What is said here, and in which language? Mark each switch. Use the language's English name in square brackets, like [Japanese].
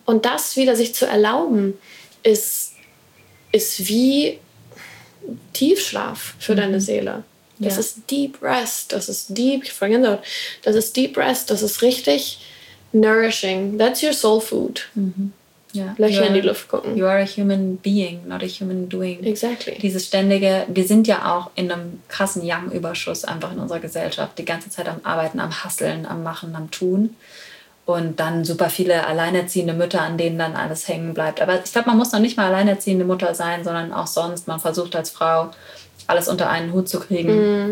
[German] Und das wieder sich zu erlauben, ist wie Tiefschlaf für deine Seele. Das ist Deep Rest. Das ist Deep, ich vergesse das Wort. Das ist Deep Rest. Das ist richtig nourishing. [English] That's your soul food. Mm-hmm. Yeah. [German] Löcher in die Luft gucken. [English] You are a human being, not a human doing. Exactly. [German] Dieses ständige, wir sind ja auch in einem krassen Yang-Überschuss einfach in unserer Gesellschaft. Die ganze Zeit am Arbeiten, am Hustlen, am Machen, am Tun. Und dann super viele alleinerziehende Mütter, an denen dann alles hängen bleibt. Aber ich glaube, man muss noch nicht mal alleinerziehende Mutter sein, sondern auch sonst. Man versucht als Frau, alles unter einen Hut zu kriegen.